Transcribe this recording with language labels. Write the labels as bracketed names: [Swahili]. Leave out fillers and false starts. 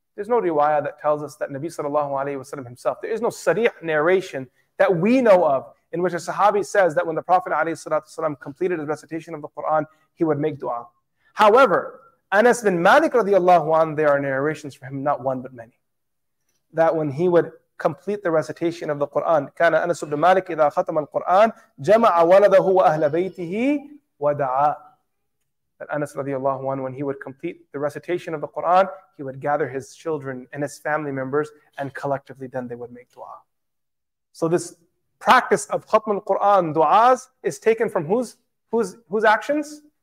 [English] There's no riwayah that tells us that Nabi sallallahu alayhi wa sallam himself, there is no sarih narration that we know of in which a sahabi says that when the Prophet alayhi salatu wasalam completed his recitation of the Quran, he would make dua. However, Anas bin Malik radiallahu anhu, there are narrations for him, not one but many. That when he would complete the recitation of the Quran, [Arabic] كان أنس بن مالك إذا ختم القرآن جمع ولده وأهل بيته ودعا. [English] That Anas radiallahu anhu, when he would complete the recitation of the Quran, he would gather his children and his family members, and collectively then they would make dua. So this practice of khatm al-Quran du'as is taken from whose actions?